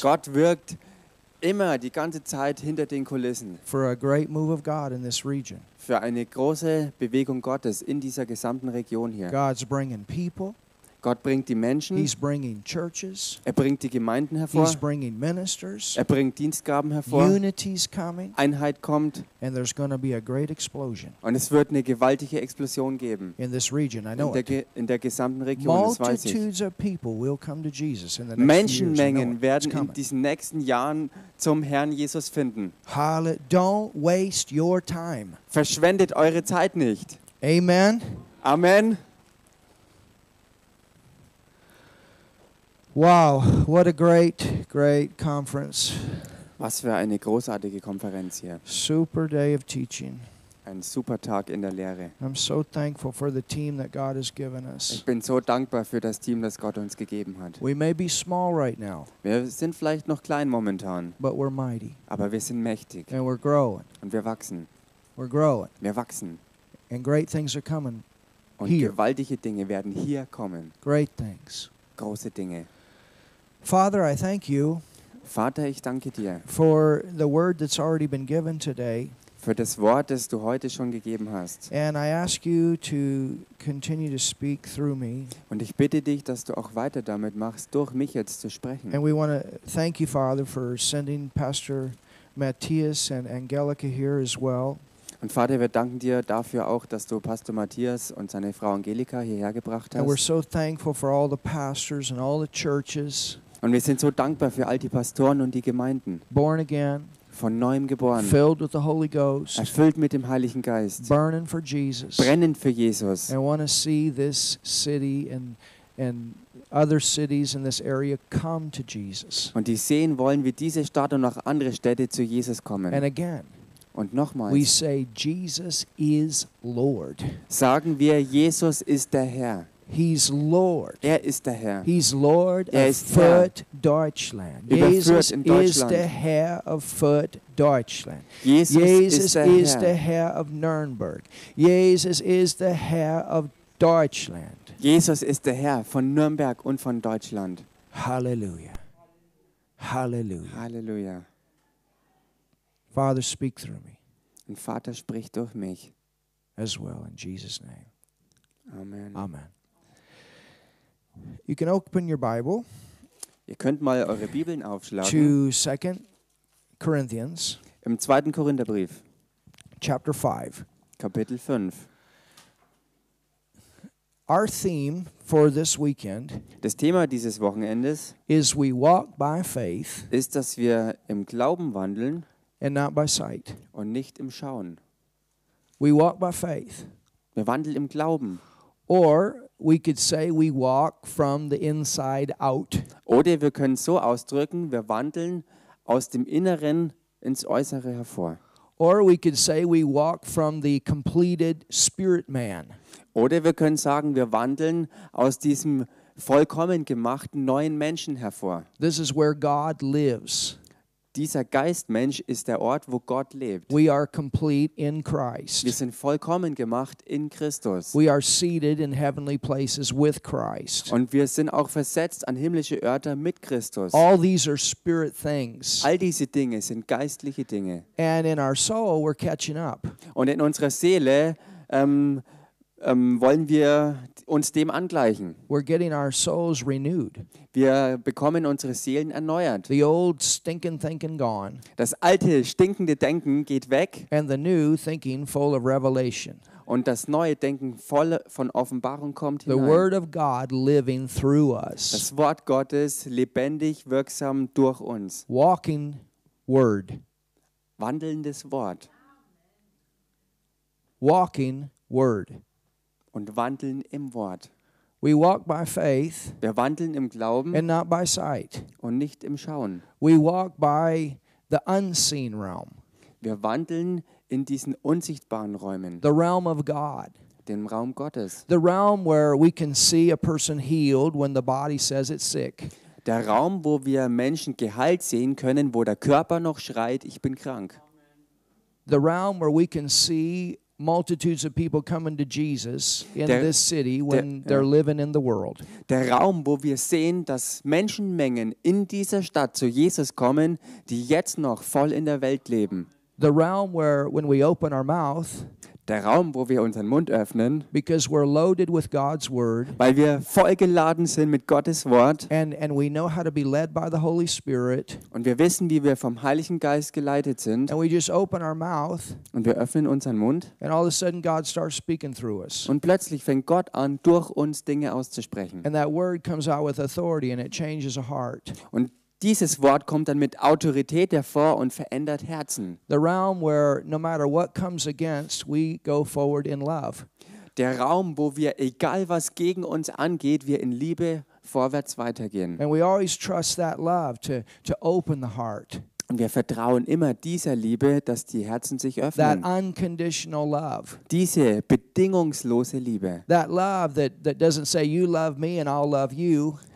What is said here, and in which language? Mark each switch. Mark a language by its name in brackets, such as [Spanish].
[German] Gott wirkt immer die ganze Zeit hinter den Kulissen. [English] For a great move of God in this region. [German] Für eine große Bewegung Gottes in dieser gesamten Region hier. [English] God's bringing people. [German] Gott bringt die Menschen. [English] He's bringing churches. [German] Er bringt die Gemeinden hervor. [English] He's bringing ministers. [German] Er bringt Dienstgaben hervor. [English] Unity's coming. [German] Einheit kommt. [English] And there's going to be a great explosion. [German] Und es wird eine gewaltige Explosion geben. [English] In this region, I know it. [German] In der gesamten Region, das weiß ich. [English] Multitudes of people will come to Jesus in the next years. [German] Menschenmengen werden in diesen nächsten Jahren zum Herrn Jesus finden. [English] Don't waste your time. [German] Verschwendet eure Zeit nicht. [English] Amen. [German] Amen. [English] Wow, what a great, great conference. [German] Was für eine großartige Konferenz hier. [English] Super day of teaching. [German] Ein super Tag in der Lehre. [English] I'm so thankful for the team that God has given us. [German] Ich bin so dankbar für das Team, das Gott uns gegeben hat. [English] We may be small right now. [German] Wir sind vielleicht noch klein momentan. [English] But we're mighty. [German] Aber wir sind mächtig. [English] And we're growing. [German] Und wir wachsen. [English] We're growing. [German] Wir wachsen. [English] And great things are coming. [German] Und here. Gewaltige Dinge werden hier kommen. [English] Great things. [German] Große Dinge. [English] Father, I thank you. [German] Vater, ich danke dir. [English] For the word that's already been given today. [German] Für das Wort, das du heute schon gegeben hast. [English] And I ask you to continue to speak through me. [German] Und ich bitte dich, dass du auch weiter damit machst, durch mich jetzt zu sprechen. [English] And we want to thank you, Father, for sending Pastor Matthias and Angelica here as well. [German] Und Vater, wir danken dir dafür auch, dass du Pastor Matthias und seine Frau Angelika hierher gebracht hast. [English] And we're so thankful for all the pastors and all the churches. [German] Und wir sind so dankbar für all die Pastoren und die Gemeinden. [English] Born again, [German] von neuem geboren. [English] Filled with the Holy Ghost, [German] erfüllt mit dem Heiligen Geist. [English] Burning for Jesus, [German] brennend für Jesus. [English] And want to see this city and other cities in this area come to Jesus. [German] Und die sehen wollen, wie diese Stadt und auch andere Städte zu Jesus kommen. [English] And again, [German] und nochmals, [English] we say Jesus is Lord. [German] Sagen wir, Jesus ist der Herr. [English] He's Lord. [German] Er ist der Herr. [English] He's Lord [German] er [English] of Fürth Deutschland. Jesus is the Herr of Fürth Deutschland. Jesus is the Herr of Nürnberg. Jesus is the Herr of Deutschland. [German] Jesus ist der Herr von Nürnberg und von Deutschland. [English] Hallelujah. Hallelujah. Hallelujah. Father, speak through me. [German] Und Vater, sprich durch mich. [English] As well, in Jesus' name. Amen. Amen. You can open your Bible. [German] Ihr könnt mal eure Bibeln aufschlagen. [English] To 2 Corinthians. [German] Im 2. Korintherbrief. [English] Chapter 5. [German] Kapitel 5. [English] Our theme for this weekend. [German] Das Thema dieses Wochenendes. [English] Is we walk by faith. [German] Ist, dass wir im Glauben wandeln. [English] And not by sight. [German] Und nicht im Schauen. [English] We walk by faith. [German] Wir wandeln im Glauben. [English] Or we could say we walk from the inside out. [German] Oder wir können so ausdrücken, wir wandeln aus dem Inneren ins Äußere hervor. [English] Or we could say we walk from the completed spirit man. [German] Oder wir können sagen, wir wandeln aus diesem vollkommen gemachten neuen Menschen hervor. [English] This is where God lives. [German] Dieser Geistmensch ist der Ort, wo Gott lebt. [English] We are complete in Christ. [German] Wir sind vollkommen gemacht in Christus. [English] We are seated in heavenly places with Christ. [German] Und wir sind auch versetzt an himmlische Örter mit Christus. [English] All these are spirit things. [German] All diese Dinge sind geistliche Dinge. [English] And in our soul we're catching up. [German] Und in unserer Seele wollen wir uns dem angleichen. [English] We're getting our souls renewed. [German] Wir bekommen unsere Seelen erneuert. [English] The old stinking thinking gone. [German] Das alte stinkende Denken geht weg. [English] And the new thinking full of revelation. [German] Und das neue Denken voll von Offenbarung kommt hinein. [English] The word of God living through us. [German] Das Wort Gottes lebendig wirksam durch uns. [English] Walking word. [German] Wandelndes Wort. [English] Walking word. [German] Und wandeln im Wort. [English] We walk by faith. [German] Wir wandeln im Glauben. [English] And not by sight. [German] Und nicht im Schauen. [English] We walk by the unseen realm. [German] Wir wandeln in diesen unsichtbaren Räumen. [English] The realm of God. [German] Den Raum Gottes. [English] The realm where we can see a person healed when the body says it's sick. [German] Der Raum, wo wir Menschen geheilt sehen können, wo der Körper noch schreit, ich bin krank. [English] The realm where we can see multitudes of people coming to Jesus in this city when they're living in the world. [German] Der Raum, wo wir sehen, dass Menschenmengen in dieser Stadt zu Jesus kommen, die jetzt noch voll in der Welt leben. [English] The realm where when we open our mouth, [German] der Raum, wo wir unseren Mund öffnen, [English] because we're loaded with God's word, [German] weil wir vollgeladen sind mit Gottes Wort, [English] and we know how to be led by the Holy Spirit, [German] und wir wissen, wie wir vom Heiligen Geist geleitet sind, [English] and we just open our mouth, [German] und wir öffnen unseren Mund, [English] and all of a sudden God starts speaking through us, [German] und plötzlich fängt Gott an, durch uns Dinge auszusprechen, [English] and that word comes out with authority and it changes a heart. [German] Und dieses Wort kommt dann mit Autorität hervor und verändert Herzen. [English] The realm where no matter what comes against, we go forward in love. [German] Der Raum, wo wir, egal was gegen uns angeht, wir in Liebe vorwärts weitergehen. [English] And we always trust that love to open the heart. [German] Und wir vertrauen immer dieser Liebe, dass die Herzen sich öffnen. [English] That unconditional love. [German] Diese bedingungslose Liebe. [English] That love that doesn't say you love me and I'll love you.